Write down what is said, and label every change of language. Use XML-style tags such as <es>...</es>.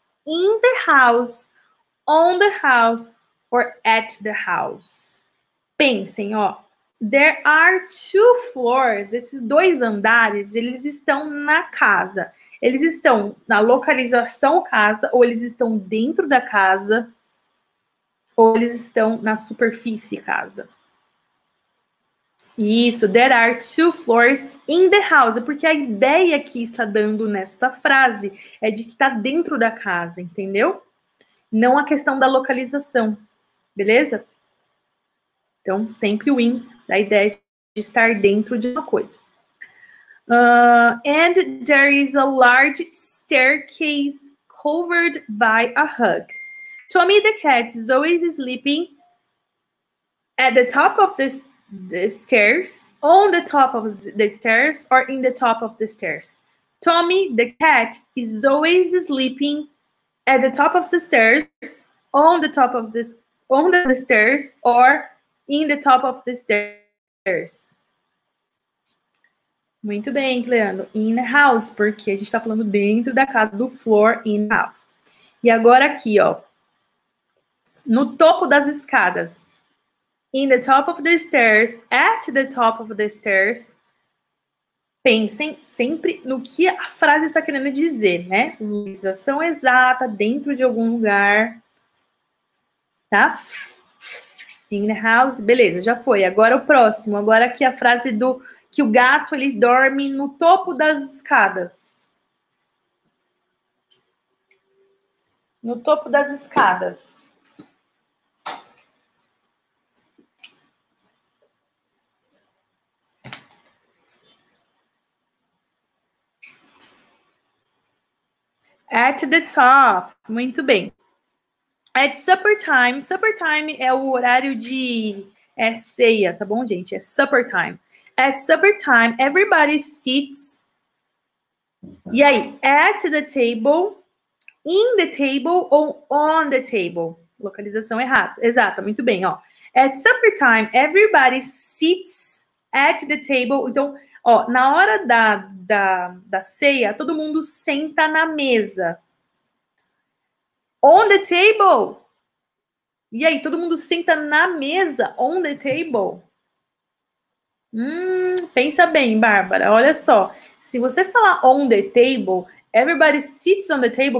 <en>In the house, on the house, or at the house.</en> <pt>Pensem, ó.</pt> <en>There are two floors.</en> <pt>Esses dois andares, eles estão na casa. Eles estão na localização casa, ou eles estão dentro da casa, ou eles estão na superfície casa. Isso,</pt> <en>there are two floors in the house.</en> <pt>Porque a ideia que está dando nesta frase é de que está dentro da casa, entendeu? Não a questão da localização, beleza? Então, sempre o in, da ideia de estar dentro de uma coisa.</pt> <en>And there is a large staircase covered by a rug. Tommy the cat is always sleeping at the top of the stairs, on the top of the stairs, or in the top of the stairs. Tommy, the cat, is always sleeping at the top of the stairs, on the stairs, or in the top of the stairs.</en> <pt>Muito bem, Cleandro.</pt> <en>In the house,</en> <pt>porque a gente está falando dentro da casa, do floor,</pt> <en>in the house.</en> <pt>E agora aqui, ó, no topo das escadas.</pt> <en>In the top of the stairs, at the top of the stairs.</en> <pt>Pensem sempre no que a frase está querendo dizer, né? Localização exata, dentro de algum lugar. Tá?</pt> <en>In the house.</en> <pt>Beleza, já foi. Agora o próximo. Agora aqui a frase do que o gato, ele dorme no topo das escadas. No topo das escadas.</pt> <en>At the top.</en> <pt>Muito bem.</pt> <en>At supper time.</en> <pt>Supper time é o horário de ceia, tá bom, gente?</pt> <en>É supper time. At supper time, everybody sits.</en> <pt>E aí?</pt> <en>At the table, in the table</en> <pt>ou</pt> <en>on the table?</en> <pt>Localização errada. Exata, muito bem, ó.</pt> <en>At supper time, everybody sits at the table.</en> <pt>Então, ó, na hora da ceia, todo mundo senta na mesa.</pt> <en>On the table.</en> <pt>E aí, todo mundo senta na mesa,</pt> <en>on the table.</en> <pt>Pensa bem, Bárbara, olha só. Se você falar</pt> <en>on the table, everybody sits on the table.</en>